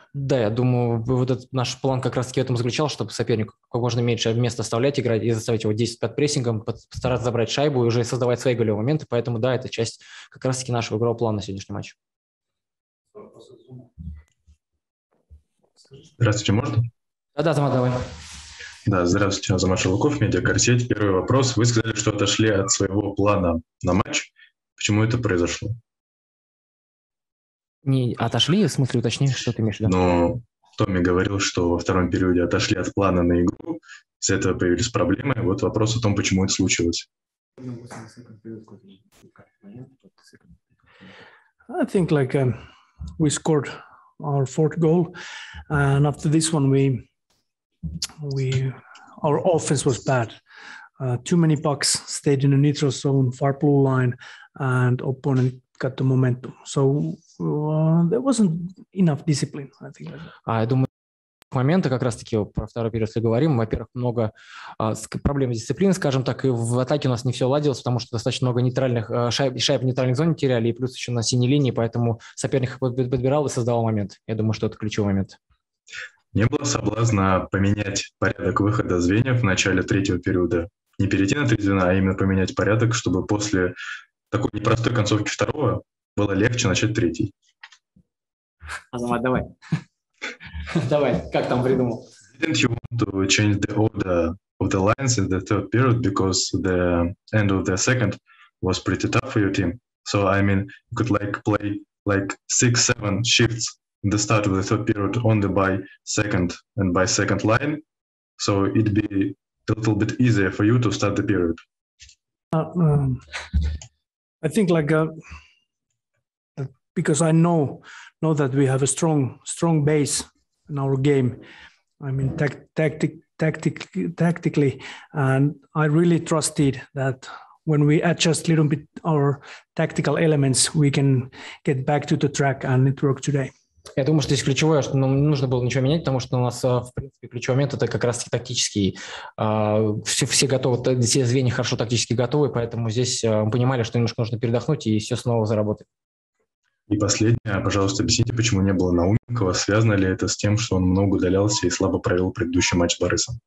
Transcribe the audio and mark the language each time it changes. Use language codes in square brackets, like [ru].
[ru] Да, я думаю, вот этот наш план как раз-таки в этом заключал, чтобы сопернику как можно меньше места оставлять играть и заставить его действовать под прессингом, постараться забрать шайбу и уже создавать свои голевые моменты. Поэтому да, это часть как раз-таки нашего игрового плана на сегодняшний матч. Здравствуйте, можно? Да, Тамар, давай. Да, здравствуйте, Азамат Шалуков, Медиакарсеть. Первый вопрос. Вы сказали, что отошли от своего плана на матч. Почему это произошло? Не отошли, в смысле уточни, что ты имеешь в виду? Ну, Томми говорил, что во втором периоде отошли от плана на игру, с этого появились проблемы. Вот вопрос о том, почему это случилось. [en] I think like we scored our fourth goal, and after this one, we our offense was bad. Too many pucks stayed in the neutral zone, far blue line, and opponent got the momentum. So there wasn't enough discipline, I think. I don't. [ru] Момента как раз-таки про второй период, если говорим, во-первых, много проблем с дисциплиной, скажем так, и в атаке у нас не все ладилось, потому что достаточно много нейтральных шайб в нейтральной зоне теряли, и плюс еще на синей линии, поэтому соперник подбирал и создавал момент. Я думаю, что это ключевой момент. Не было соблазна поменять порядок выхода звеньев в начале третьего периода? Не перейти на 3-2, а именно поменять порядок, чтобы после такой непростой концовки второго было легче начать третий? Азамат, давай. Давай, как там придумал? [en] Didn't you want to change the order of the lines in the third period because the end of the second was pretty tough for your team? So, I mean, you could like play like 6-7 shifts in the start of the third period only by second and by second line. So it'd be a little bit easier for you to start the period. I think like because I know that we have a strong base in our game. I mean, tactically, and I really trusted that when we adjust a little bit our tactical elements, we can get back to the track, and it worked today. [ru] Я думаю, что здесь ключевое, что нам не нужно было ничего менять, потому что у нас, в принципе, ключевой момент – это как раз тактический. Все готовы, все звенья хорошо тактически готовы, поэтому здесь мы понимали, что немножко нужно передохнуть, и все снова заработает. И последнее, пожалуйста, объясните, почему не было Науменкова. Связано ли это с тем, что он много удалялся и слабо провел предыдущий матч с Борисом?